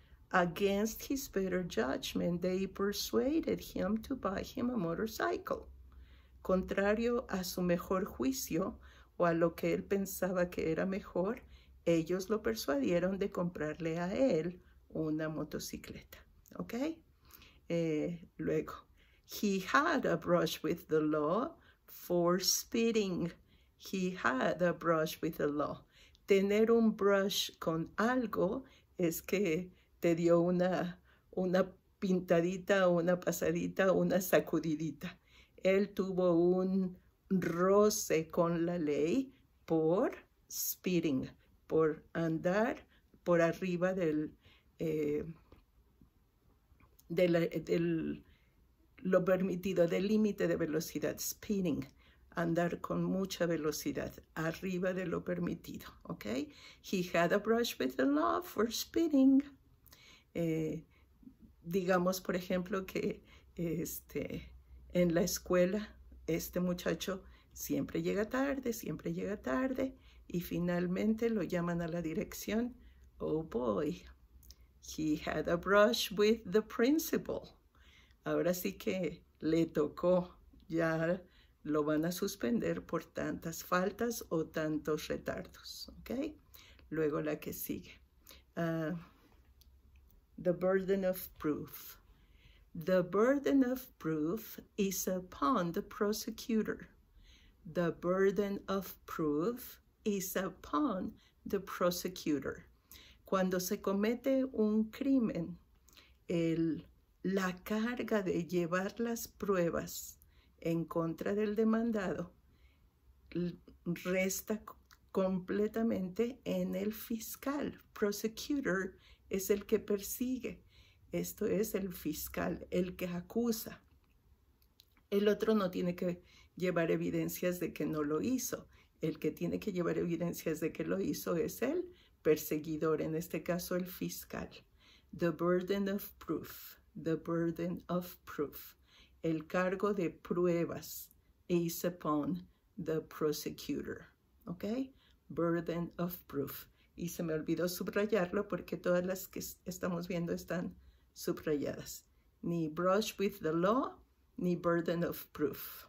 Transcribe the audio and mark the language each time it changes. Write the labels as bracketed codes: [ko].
[en] Against his better judgment, they persuaded him to buy him a motorcycle. [es] Contrario a su mejor juicio o a lo que él pensaba que era mejor, ellos lo persuadieron de comprarle a él una motocicleta. ¿Ok? Luego, [en] he had a brush with the law for speeding. He had a brush with the law. [es] Tener un brush con algo es que te dio una pintadita, una pasadita, una sacudidita. Él tuvo un roce con la ley por speeding, por andar por arriba lo permitido, del límite de velocidad, speeding, andar con mucha velocidad, arriba de lo permitido, ¿ok? [en] He had a brush with the law for speeding. [es] Digamos, por ejemplo, que en la escuela este muchacho siempre llega tarde y finalmente lo llaman a la dirección. [en] Oh boy, he had a brush with the principal. [es] Ahora sí que le tocó, ya lo van a suspender por tantas faltas o tantos retardos, ¿ok? Luego la que sigue. [en] The burden of proof. The burden of proof is upon the prosecutor. The burden of proof is upon the prosecutor. [es] Cuando se comete un crimen, la carga de llevar las pruebas en contra del demandado resta completamente en el fiscal. Prosecutor es el que persigue. Esto es el fiscal, el que acusa. El otro no tiene que llevar evidencias de que no lo hizo. El que tiene que llevar evidencias de que lo hizo es el perseguidor, en este caso el fiscal. [en] The burden of proof. The burden of proof. [es] El cargo de pruebas [en] is upon the prosecutor. [es] ¿Ok? [en] Burden of proof. [es] Y se me olvidó subrayarlo porque todas las que estamos viendo están subrayadas. Ni brush with the law, ni burden of proof.